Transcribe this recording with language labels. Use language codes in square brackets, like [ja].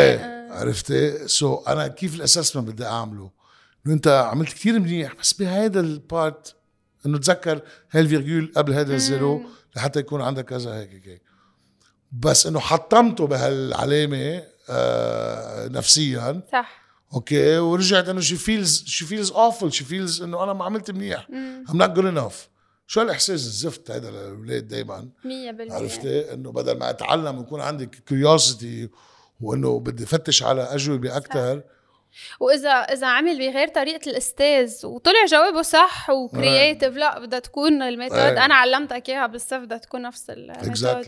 [ar] ايه عرفتي سو أنا كيف الأسسمنت بدي أعمله إنه أنت عملت كتير منيح بس بهذا البارت إنه تذكر هالفيرجول قبل هذا الزيرو لحتى يكون عندك كذا هيك هيك، بس إنه حطمته بهالعلامة نفسيا، صح أوكي، ورجعت إنه [en] she feels awful، she feels [ar] إنه أنا ما عملت منيح، [en] I'm not good enough. [ar] شو الإحساس الزفت هذا للأولاد دايما، عرفتي انه بدل ما اتعلم ويكون عندي curiosity وانه بدي فتش على اجوبة اكتر، واذا عمل بغير طريقة الاستاذ وطلع جوابه صح وكرياتيف، لا بدها تكون الميثود انا علمتك اياها بالصف بدها تكون نفس الميثود.